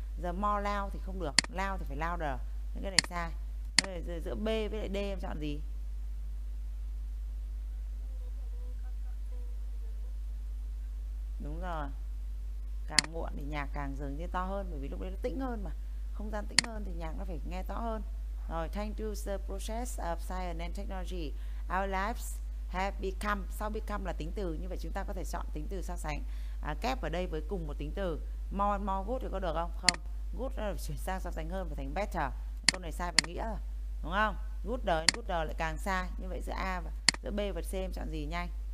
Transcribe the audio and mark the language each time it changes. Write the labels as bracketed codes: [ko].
[en] The more loud [vi] thì không được, loud thì phải louder. Nên cái này sai. Thế giờ giữa B với lại D em chọn gì? Đúng rồi. Càng muộn thì nhạc càng dường như to hơn bởi vì lúc đấy nó tĩnh hơn mà. Không gian tĩnh hơn thì nhạc nó phải nghe to hơn. [en] Rồi, thanks to the process of science and technology, our lives have become. [vi] Sau become là tính từ, như vậy chúng ta có thể chọn tính từ so sánh kép ở đây với cùng một tính từ. [en] More, more good [vi] thì có được không? Không. Good nó chuyển sang so sánh hơn và thành better. Câu này sai về nghĩa rồi. Đúng không? Good đời, good đời lại càng sai. Như vậy giữa A và giữa B và C em chọn gì nhanh?